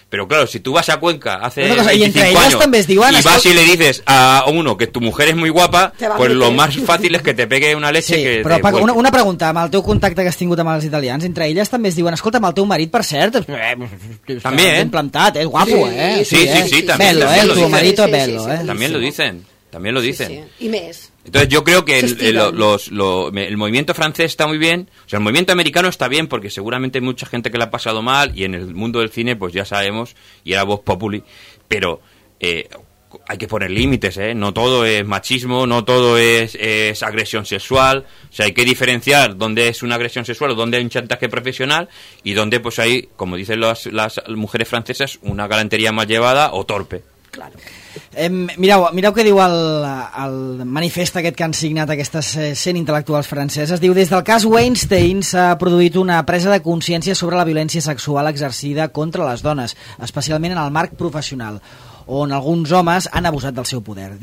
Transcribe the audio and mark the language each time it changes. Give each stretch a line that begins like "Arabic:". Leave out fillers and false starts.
Spanish: Pero claro, si tú vas a Cuenca hace 25 años y vas y le dices a uno que tu mujer es muy guapa, pues lo más fácil es que te pegue una leche. Sí, que
Catalan: però, Paco, una pregunta, amb el teu contacte que has tingut amb els italians, entre elles també es diuen, escolta, amb el teu marit, per cert, també, ben plantat, és guapo, sí, eh? Sí, també. Bello, també el teu marit és bello, sí, eh?
Spanish: També lo dicen, també lo dicen.
Catalan: Sí, sí. I més.
Spanish: Entonces yo creo que el movimiento francés está muy bien, o sea, el movimiento americano está bien porque seguramente hay mucha gente que le ha pasado mal y en el mundo del cine pues ya sabemos y era vox populi, pero hay que poner límites, ¿eh? No todo es machismo, no todo es agresión sexual, o sea, hay que diferenciar dónde es una agresión sexual o dónde hay un chantaje profesional y dónde pues hay, como dicen las mujeres francesas, una galantería mal llevada o torpe. Claro.
Catalan: Mireu què diu el manifest aquest que han signat aquestes 100 intel·lectuals franceses. Diu, des del cas Weinstein s'ha produït una presa de consciència sobre la violència sexual exercida contra les dones, especialment en el marc professional, on alguns homes han abusat del seu poder.